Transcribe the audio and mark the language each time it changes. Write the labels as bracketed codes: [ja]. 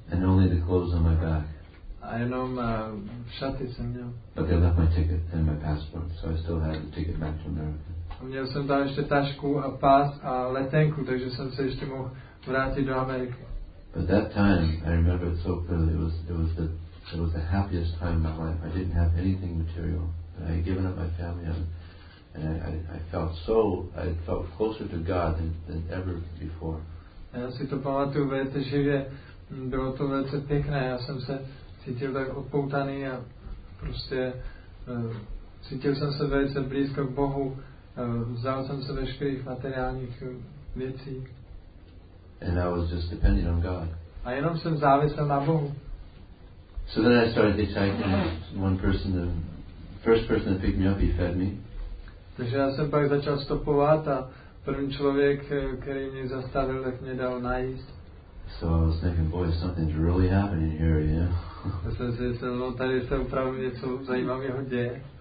[en] And only the clothes on my back. [cs] A jenom šaty jsem měl. [en] But they left my ticket and my passport, so I still had the ticket back to America. [cs] A měl jsem tam ještě tašku a pas a letenku, takže jsem se ještě mohl vrátit do Ameriky. [en] But that time, I remember it so clearly. It was the happiest time in my life. I didn't have anything material, but I had given up my family, and I felt closer to God than ever before. [cs] Já si to pamatuju velice živě. Bylo to velice pěkné. Já jsem se cítil tak odpoutaný a prostě cítil jsem se velice blízko k Bohu. Vzal jsem se veškerých materiálních věcí. [en] And I was just depending on God. [cs] A jenom jsem závisel na Bohu. [en] So then I started hitchhiking. The first person that picked me up, he fed me. [cs] Takže já jsem pak začal stopovat a první člověk, který mě zastavil, tak mě dal najíst. [en] So I was thinking, boy, something's really happening here, you know. [cs] Já jsem si myslel, no tady se opravdu něco zajímavého děje.